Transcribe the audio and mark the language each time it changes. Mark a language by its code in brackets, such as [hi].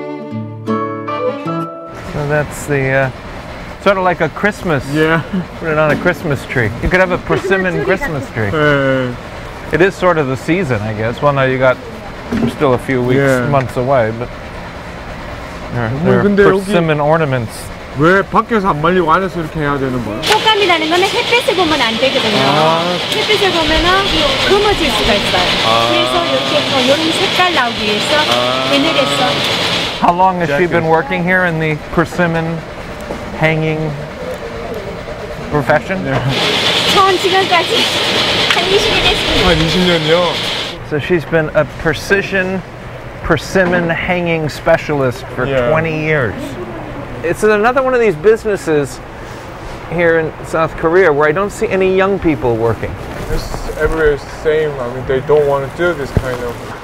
[en] that's the sort of like a Christmas. Yeah. Put it on a Christmas tree. You could have a persimmon Christmas tree. It is sort of the season, I guess. Well, now you got still a few weeks, months away, but there are persimmon ornaments. [ko] 왜 밖에서 안 말리고 안에서 이렇게 해야 되는 거야? 촉감이라는 거는 햇빛을 보면 안 되거든요. 아. 햇빛을 보면은 검어질 수가 있어요. 아. 그래서 이렇게 이런 색깔 나오기 위해서 애늘에서. 아. [en] How long has she been working here in the persimmon hanging profession? [ko] 전 지금까지 한 20년 됐습니다. 한 20년이요? [en] So she's been a persimmon hanging specialist for 20 years. It's another one of these businesses here in South Korea where I don't see any young people working. It's everywhere the same. I mean, they don't want to do this kind of...